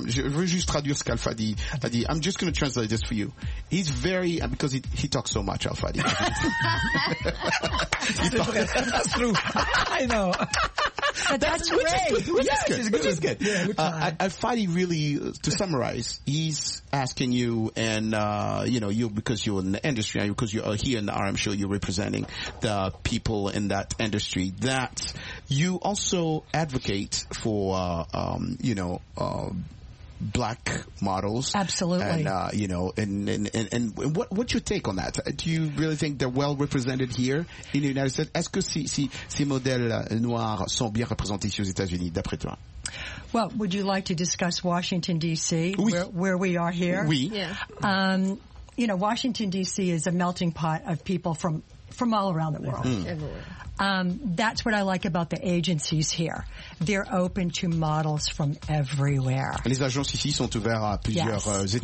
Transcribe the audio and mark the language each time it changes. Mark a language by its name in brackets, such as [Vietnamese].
[French] Je veux juste traduire ce qu'Alpha Di a dit. [English] I'm just going to translate this for you. He's very, because he talks so much, Alpha Di. That's true. I know. But that's great. Which is good. Yeah, Alpha Di really, to summarize, he's asking you and, you know, you, because you're in the industry, because you're here in the RM show, you're representing the people in that industry, that you also advocate for, you know, black models. Absolutely. And, you know, and what's your take on that? Do you really think they're well represented here in the United States? [French] Est-ce que ces modèles noirs sont bien représentés aux États-Unis, d'après toi? [English] Well, would you like to discuss Washington, D.C., where we are here? [French] Oui. [English] Yeah. You know, Washington, D.C. is a melting pot of people from all around the world. That's what I like about the agencies here. They're open to models from everywhere. [French] Les agences ici sont ouvertes à plusieurs ethnies.